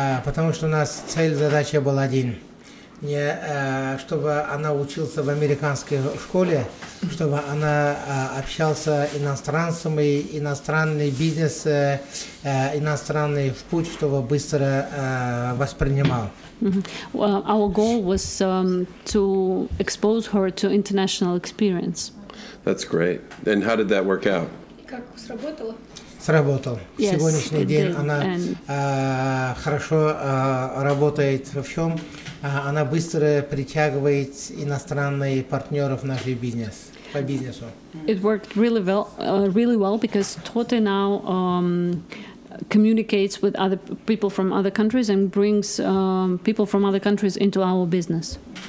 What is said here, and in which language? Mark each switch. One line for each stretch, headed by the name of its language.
Russian: Потому что у нас цель, задача была один. не чтобы она училась в американской школе, чтобы она общалась с иностранцами, иностранный бизнес, иностранный в путь, чтобы быстро воспринимал.
English: Mm-hmm. Well, our goal was to expose her to international experience. That's great. And how did that work out?
Russian: Как сработало? Сработал.
English: Yes,
Russian: сегодняшний день она хорошо работает во всем. Она быстро притягивает иностранных партнеров в наш бизнес, по бизнесу.
English: It worked really well, really well, because Tote now communicates with other people from other countries and brings people from other countries into our business.